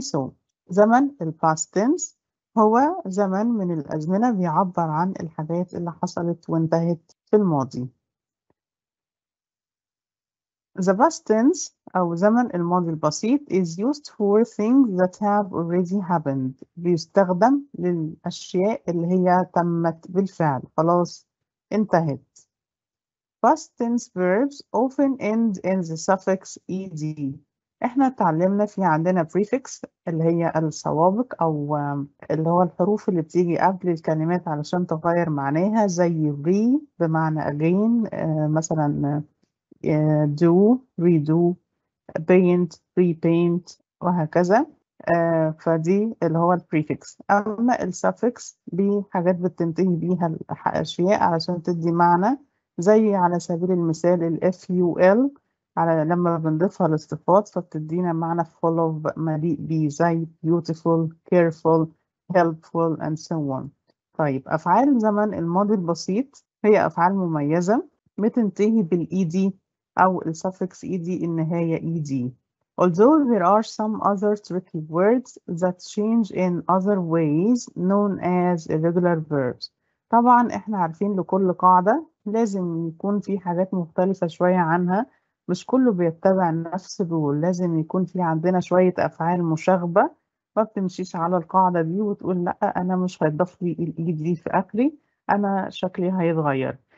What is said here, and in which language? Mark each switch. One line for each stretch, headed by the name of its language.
Arabic: سو زمن الباست تنس هو زمن من الأزمنة بيعبر عن الحاجات اللي حصلت وانتهت في الماضي.
English: The past tense
Arabic: أو زمن الماضي البسيط
English: is used for things that have already happened.
Arabic: بيستخدم للأشياء اللي هي تمت بالفعل خلاص انتهت.
English: Past tense verbs often end in the suffix ed.
Arabic: احنا اتعلمنا في عندنا prefix اللي هي السوابق او اللي هو الحروف اللي بتيجي قبل الكلمات علشان تغير معناها، زي re بمعنى again، مثلا do redo، paint repaint، وهكذا. فدي اللي هو prefix. اما suffix بحاجات بتنتهي بيها الاشياء علشان تدي معنى زي على سبيل المثال ال FUL على لما بنضيفها للصفات فبتدينا معنى full of مليء بيه زي
English: beautiful, careful, helpful and so on.
Arabic: طيب أفعال زمن الماضي البسيط هي أفعال مميزة بتنتهي بال ED أو suffix ED النهاية ED.
English: Although there are some other tricky words that change in other ways known as irregular verbs.
Arabic: طبعا احنا عارفين لكل قاعدة لازم يكون في حاجات مختلفة شوية عنها، مش كله بيتبع نفس الرول، لازم يكون في عندنا شوية أفعال مشاغبة ما بتمشيش على القاعدة دي وتقول لأ أنا مش هيضاف لي الإيد دي في أكلي، أنا شكلي هيتغير.